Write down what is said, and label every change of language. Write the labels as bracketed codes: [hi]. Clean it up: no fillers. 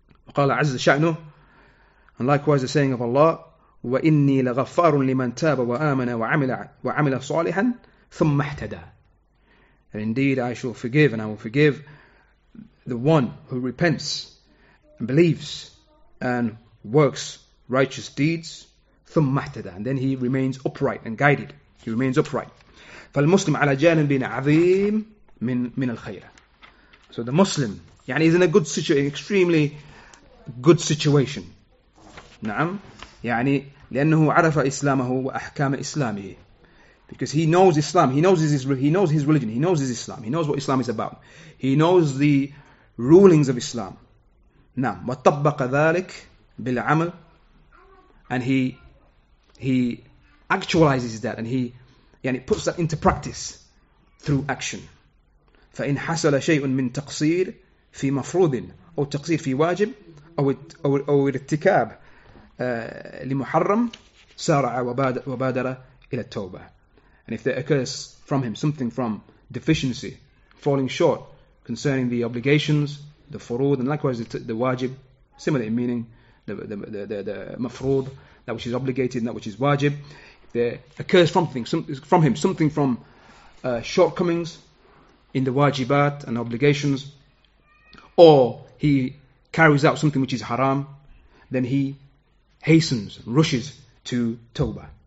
[ar] وَقَالَ عَزَّ شَأْنُهُ, [en] and likewise the saying of Allah, [ar] وَإِنِّي لَغَفَّارٌ لِمَنْ تَابَ وَآمَنَ وَعَمِلَ صَالِحًا ثُمَّ اهْتَدَى. [en] And indeed, I shall forgive, and I will forgive the one who repents and believes and works righteous deeds. [ar] ثم اهتدى. [en] And then he remains upright and guided. He remains upright. [ar] فالمسلم على جانب عظيم من الخير. [en] So the Muslim, يعني, is in a good situation, extremely good situation. نعم. [ar] يعني لأنه عرف إسلامه وأحكام إسلامه. [en] Because he knows Islam, he knows his religion, he knows his Islam, he knows what Islam is about, he knows the rulings of Islam. Now, [ar] وَطَبَّقَ ذَلِكَ بِالْعَمَلِ, [en] and he actualizes that, and he puts that into practice through action. [ar] فإن حصل شيء من تقصير في مفروض أو تقصير في واجب أو ارتكاب لمحرم سارع وبادر إلى التوبة. [en] And if there occurs from him something from deficiency, falling short concerning the obligations, the furud, and likewise the wajib, similar in meaning, the mafruud, that which is obligated, and that which is wajib, there occurs from him something from shortcomings in the wajibat and obligations, or he carries out something which is haram, then he hastens, rushes to tawbah.